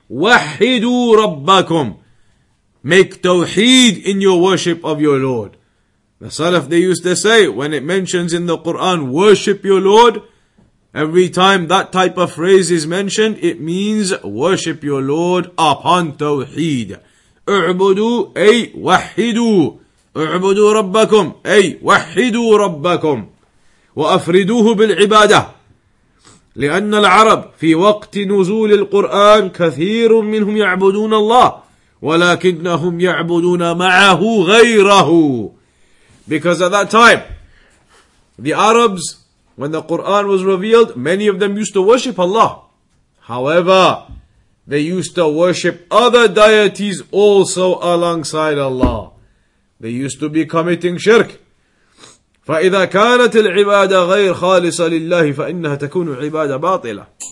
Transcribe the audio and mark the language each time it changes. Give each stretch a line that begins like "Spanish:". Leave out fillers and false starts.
Arabic: وحدوا ربكم,
English: make tawheed in your worship of your Lord. The Salaf, they used to say, when it mentions in the Quran, worship your Lord, every time that type of phrase is mentioned, it means worship your Lord upon tawheed.
Arabic: اعبدوا, اي وحدوا. اعبدوا ربكم, اي وحدوا ربكم. وافردوه بالعبادة. لأن العرب في وقت نزول القرآن كثير منهم يعبدون الله ولكنهم يعبدون معه غيره.
English: Because at that time, the Arabs, when the Quran was revealed, many of them used to worship Allah. However, they used to worship other deities also alongside Allah. They used to be committing shirk.
Arabic: فَإِذَا كَانَتِ الْعِبَادَةِ غَيْرْ خَالِصَ لِلَّهِ فَإِنَّهَ تَكُونُ عِبَادَةَ بَاطِلَةً.